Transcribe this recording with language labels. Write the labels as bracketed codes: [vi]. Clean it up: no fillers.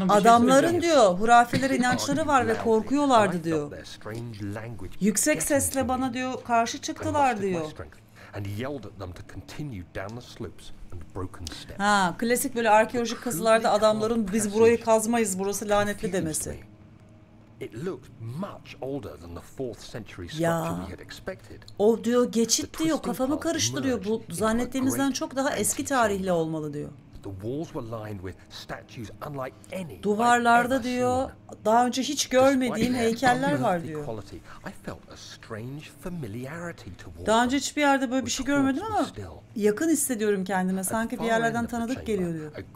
[tr] Adamların diyor hurafeleri, inançları var ve korkuyorlardı diyor. Yüksek sesle bana diyor karşı çıktılar diyor. Ha, klasik böyle arkeolojik kazılarda adamların biz burayı kazmayız, burası lanetli demesi. [en] It looked much older than the 4th century structure we had expected. [tr] O diyor geçit diyor, kafamı karıştırıyor, bu zannettiğimizden çok daha eski tarihli olmalı diyor. [en] The walls were lined with statues unlike any. [tr] Duvarlarda diyor daha önce hiç görmediğim heykeller var diyor. [en] Quality, I felt a strange familiarity towards. [tr] Daha önce hiçbir yerde böyle bir şey görmedim ama yakın hissediyorum kendime, sanki bir yerlerden tanıdık geliyor diyor.